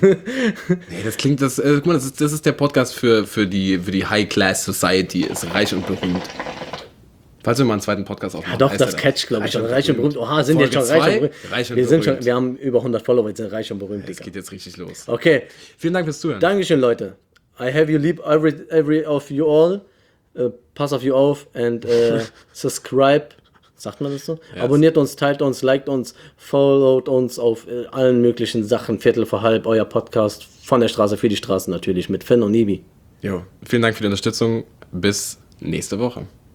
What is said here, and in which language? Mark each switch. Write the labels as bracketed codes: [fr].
[de] Nee, das klingt, guck mal, das ist der Podcast für die High Class Society, ist reich und berühmt. Falls wir mal einen zweiten Podcast aufmachen. Ja, doch, das Catch, glaube ich. Reich und berühmt. Oha, sind wir schon reich und berühmt. Reich und berühmt. Wir haben über 100 Follower, jetzt sind reich und berühmt. Es geht jetzt richtig los. Okay. Vielen Dank fürs Zuhören. Dankeschön, Leute. [en] I have you [de] lieb, [en] every of you all. [de] Pass auf you auf [en] and subscribe. [de] Sagt man das so? Yes. Abonniert uns, teilt uns, liked uns, followt uns auf allen möglichen Sachen. Viertel vor halb, euer Podcast von der Straße für die Straße natürlich mit Finn und Ibi. Jo, vielen Dank für die Unterstützung. Bis nächste Woche.